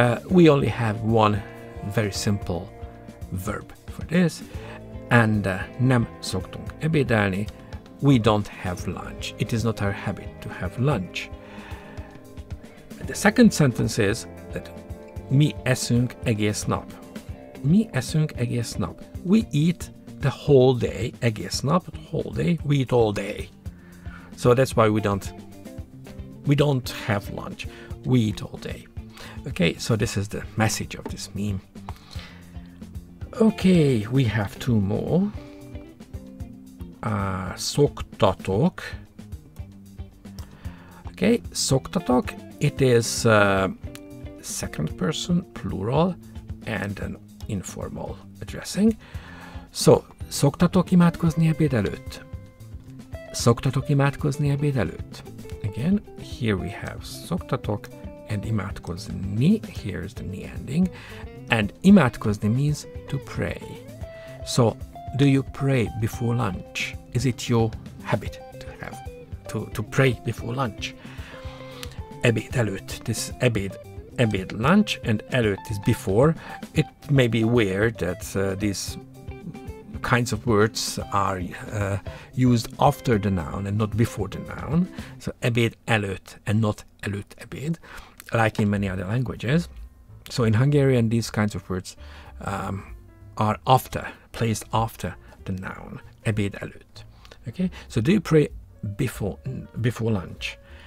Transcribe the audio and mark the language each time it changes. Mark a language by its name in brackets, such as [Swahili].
[English] We only have one very simple verb for this. And [Hungarian] nem szoktunk ebédelni. [English] We don't have lunch. It is not our habit to have lunch. The second sentence is that [Hungarian] mi eszünk egész nap. Mi eszünk egész nap. [English] We eat the whole day, [Hungarian] egész nap, [English] the whole day, we eat all day. So that's why we don't have lunch. We eat all day. Okay, so this is the message of this meme. Okay, we have two more. [Hungarian] Szoktatok. Okay, szoktatok. [English] It is second person, plural, and an informal addressing. [Hungarian] So, szoktatok imádkozni ebéd előtt? Szoktatok imádkozni ebéd előtt? [English] Again, here we have szoktatok and imádkozni. Here is the ni ending. And imádkozni means to pray. So, do you pray before lunch? Is it your habit to pray before lunch? [Hungarian] Ebéd előtt, [English] this ebéd lunch, and előtt is before. It may be weird that these kinds of words are used after the noun and not before the noun. So [Hungarian] ebéd előtt [English] and not [Hungarian] előtt ebéd, [English] like in many other languages. So in Hungarian, these kinds of words are placed after the noun, [Hungarian] ebéd előtt. [English] Okay, so do you pray before lunch?